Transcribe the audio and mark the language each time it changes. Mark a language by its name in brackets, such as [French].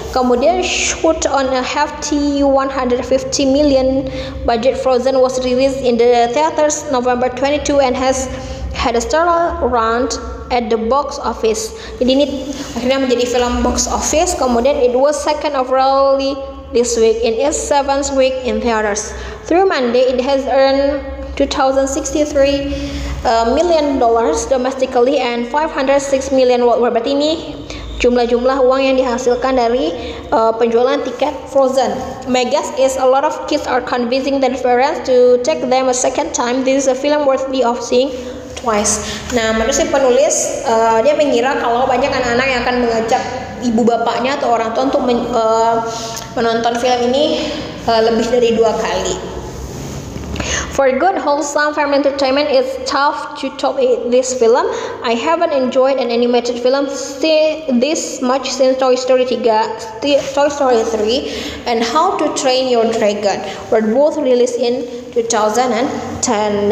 [Indonesian] Kemudian [English] shoot on a hefty 150 million budget, Frozen was released in the theaters November 22 and has had a stellar run at the box office. [Indonesian] Jadi ini akhirnya menjadi film box office. Kemudian [English] it was second overall this week in its seventh week in theaters. Through Monday, it has earned $2,063 million domestically and $506 million worldwide. [Indonesian] Berarti ini jumlah uang yang dihasilkan dari penjualan tiket Frozen. [English] My guess is a lot of kids are convincing their parents to take them a second time. This is a film worthy of seeing twice. [Indonesian] Nah, menurut si penulis, dia mengira kalau banyak anak-anak yang akan mengajak ibu bapaknya atau orang tua untuk menonton film ini lebih dari dua kali. [English] For good wholesome family entertainment, it's tough to top this film. I haven't enjoyed an animated film this much since Toy Story 3 and How to Train Your Dragon were both released in 2010.